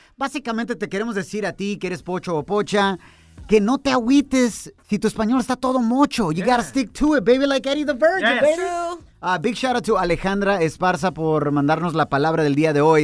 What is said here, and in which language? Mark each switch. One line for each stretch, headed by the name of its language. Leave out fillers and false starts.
Spanish: Básicamente te queremos decir a ti, que eres pocho o pocha, que no te agüites si tu español está todo mocho.
English: You gotta stick to it, baby, like Eddie the Virgin, baby. Big shout out to
Spanish: Alejandra Esparza por mandarnos la palabra del día de hoy.